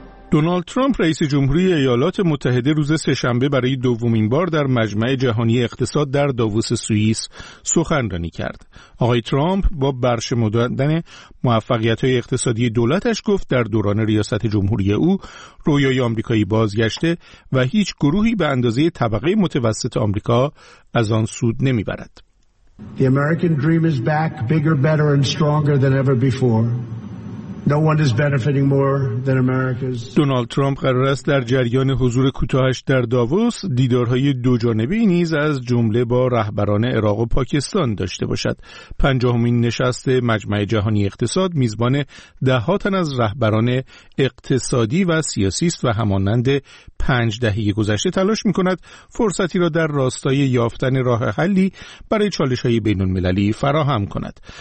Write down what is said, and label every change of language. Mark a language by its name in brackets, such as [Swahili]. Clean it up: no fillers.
[Persian] دونالد ترامپ رئیس جمهوری ایالات متحده روز سه‌شنبه برای دومین بار در مجمع جهانی اقتصاد در داووس سوئیس سخنرانی کرد. آقای ترامپ با برشمردن موفقیت‌های اقتصادی دولتش گفت در دوران ریاست جمهوری او رویای آمریکایی بازگشته و هیچ گروهی به اندازه طبقه متوسط آمریکا از آن سود نمی‌برد. [English] The American dream is back, bigger, better and stronger than ever before. No one is benefiting more than America's. [Persian] دونالد ترامپ قرار است در جریان حضور کوتاهش در داووس دیدارهای دوجانبه‌ای نیز از جمله با رهبران عراق و پاکستان داشته باشد. پنجاهمین نشست مجمع جهانی اقتصاد میزبان ده‌ها تن از رهبران اقتصادی و سیاسی است و همانند پنج دهه گذشته تلاش می‌کند فرصتی را در راستای یافتن راه حلی برای چالش‌های بین‌المللی فراهم کند.